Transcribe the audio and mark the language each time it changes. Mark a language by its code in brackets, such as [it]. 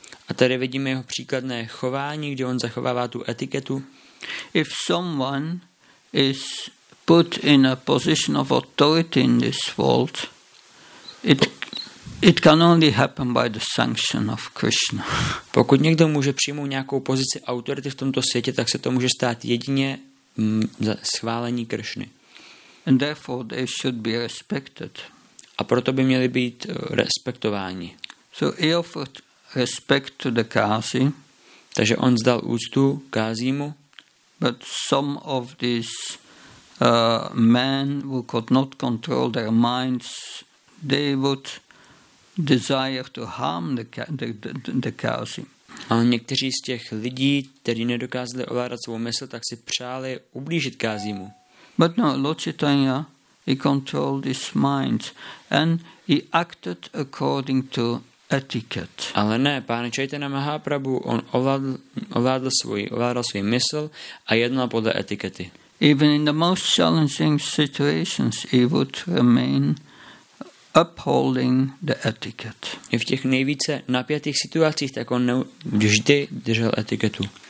[cs] A tady vidíme jeho příkladné chování, kde on zachovává tu etiketu. [en] If someone is put in a position of authority in this world, it can only happen by the sanction of Krishna. [cs] Pokud někdo může přijmout nějakou pozici autority v tomto světě, tak se to může stát jedině za schválení Krishny. [en] And therefore they should be respected. [cs] A proto by měli být respektováni. [en] So he offered respect to the Qazi. [cs] Takže on zdal úctu Qazimu. [en] But some of these men who could not control their minds, they would desire to harm the Qazi. A někteří z těch lidí, kteří nedokázali ovládat svou mysl, tak si přáli ublížit Qazimu. But no, Lord Chaitanya, he controlled his mind and he acted according to [cs] etiket. Ale ne, pán Čajtana Mahaprabhu, on ovládal svoj mysl a jednal podle etikety. [en] Even in the most challenging situations, he would remain upholding the etiquette. [cs] I v těch nejvíce napjatých situacích, tak on vždy držel etiketu.